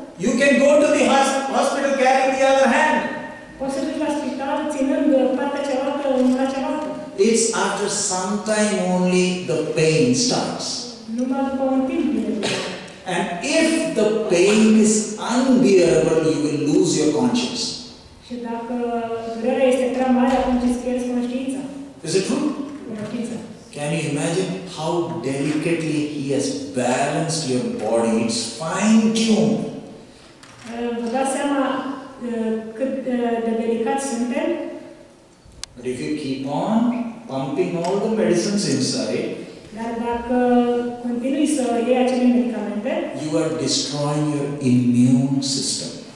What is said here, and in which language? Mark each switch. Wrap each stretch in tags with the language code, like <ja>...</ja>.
<en>you can go to the hospital carrying the other hand.</en> <ro>Poți să duci la spital ținând partea cealaltă în mâna cealaltă.</ro> <en>It's after some time only the pain starts.</en> <ro>Numai după un timp vine.</ro> <en>And if the pain is unbearable, you will lose your conscience.</en> <ro>Și dacă durerea este prea mare, atunci îți pierzi conștiința.</ro> <en>Is it true?</en> <ro>Conștiința.</ro> <en>Can you imagine how delicately he has balanced your body? It's fine-tuned.</en> <ro>Vă dați seama cât de delicat suntem?</ro> <en>But if you keep on pumping all the medicines inside,</en> <ro>dar dacă continui să iei acele medicamente,</ro> <en>you are destroying your immune system.</en>